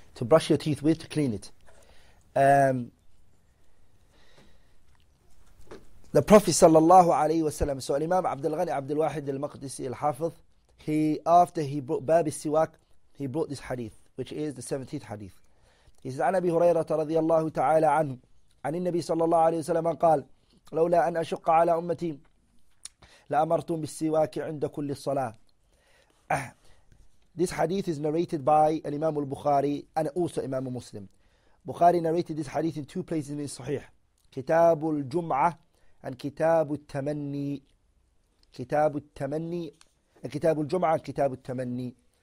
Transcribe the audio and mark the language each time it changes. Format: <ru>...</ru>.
<en>To brush your teeth with, to clean it. The Prophet sallallahu alayhi wa sallam, so Imam Abdul Ghani Abdul Wahid al-Maqdisi al-Hafiz, after he brought Bab al-Siwak, he brought this hadith, which is the 17th hadith. He says,</en> <ar>عن أبي هريرة رضي الله تعالى عنه عن النبي صلى الله عليه وسلم قال لولا أن أشق على أمتي لأمرتم بالسواك عند كل الصلاة.</ar> <en>This hadith is narrated by Imam al-Bukhari and also Imam Muslim. Bukhari narrated this hadith in two places in his Sahih. Kitab al-Jum'ah and Kitab al-Tamanni. Kitab al-Tamanni. And Kitab al-Jum'ah and Kitab al-Tamanni.</en>